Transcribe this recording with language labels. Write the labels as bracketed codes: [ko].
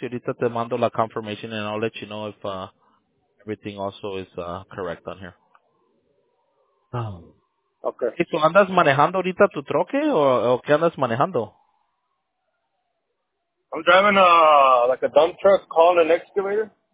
[es] Ahorita te mando la confirmation, [en] and I'll let you know if everything also is correct on here. Okay. [es] ¿Tú andas manejando ahorita tu troque o qué andas manejando? [en] I'm driving like a dump truck calling an excavator.